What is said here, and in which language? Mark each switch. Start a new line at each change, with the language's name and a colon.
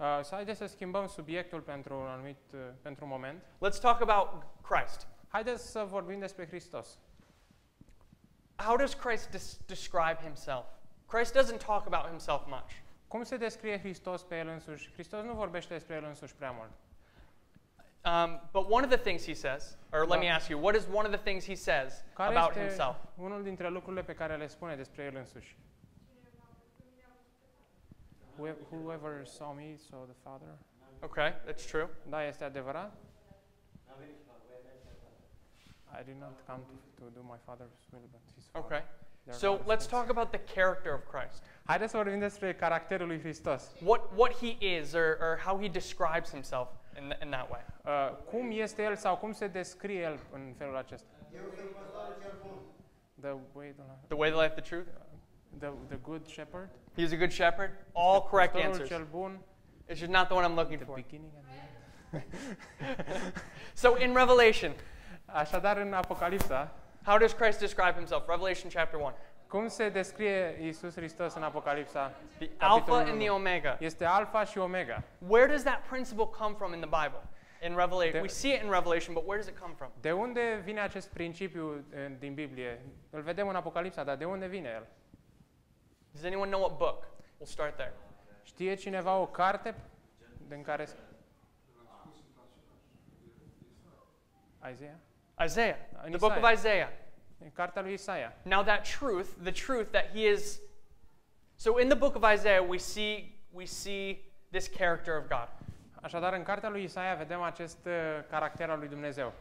Romanian: Haideți să schimbăm subiectul pentru un anumit pentru un moment.
English: Let's talk about Christ.
Romanian: Haideți să vorbim despre Hristos.
English: How does Christ describe himself? Christ doesn't talk about himself much.
Romanian: Cum se descrie Hristos pe el însuși? Hristos nu vorbește despre el însuși prea mult.
English: But one of the things he says, let me ask you, what is one of the things he says about himself?
Romanian: Care este unul dintre lucrurile pe care le spune despre el însuși?
English: Whoever saw me saw the Father. Okay, that's true.
Romanian: Da, este adevărat.
English: I did not come to do my Father's will, but His will. Okay. So let's talk about the character of Christ.
Romanian: Haideți să vorbim despre caracterul lui Hristos.
English: What He is, or how He describes Himself in that way.
Romanian: Cum este el sau cum se descrie el în felul acesta?
English: The way, the life, the truth. The good shepherd. He's a good shepherd. All correct answers.
Romanian: Cel bun.
English: It's just not the one I'm looking the for. Beginning and the end. So in Revelation.
Romanian: Așadar în Apocalipsa.
English: How does Christ describe himself? Revelation chapter 1.
Romanian: Cum se descrie Iisus Hristos în Apocalipsa?
English: The Alpha and the Omega.
Romanian: Este Alpha și Omega.
English: Where does that principle come from in the Bible? In Revelation. We see it in Revelation, but where does it come from?
Romanian: De unde vine acest principiu din Biblie? Îl vedem în Apocalipsa, dar de unde vine el?
English: Does anyone know what book? We'll start there.
Romanian: Știe cineva o carte din care Isaiah?
English: The book of Isaiah.
Romanian: În cartea lui Isaia.
English: Now that truth, the truth that he is. So in the book of Isaiah we see this character of God.
Romanian: Așadar în cartea lui Isaia vedem acest caracter al lui Dumnezeu.